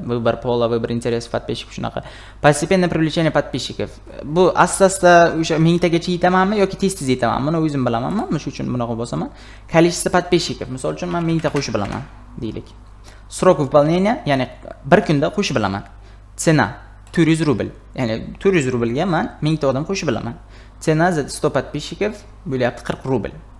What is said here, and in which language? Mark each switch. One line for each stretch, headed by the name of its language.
Russian: Выбор пола, выбор интерес подписчиков shunaqa. Постепенное привлечение подписчиков.
Uzbek: Bu asosda o'sha 1000 tagacha yetamanmi yoki tez-tez yetaman? Buni o'zim bilamanmi? Mana shu uchun bunoqa bo'lsaman.
Russian: Количество подписчиков.
Uzbek: Misol uchun men 1000 ta qo'shib bilaman, deylik.
Russian: Срок выполнения,
Uzbek: ya'ni bir kunda qo'shib bilaman. Цена 400 rubl. Ya'ni 400 rublga men 1000 ta odam qo'shib bilaman.
Russian: Цена за 100 подписчиков
Uzbek: bo'lyapti 40 rubl.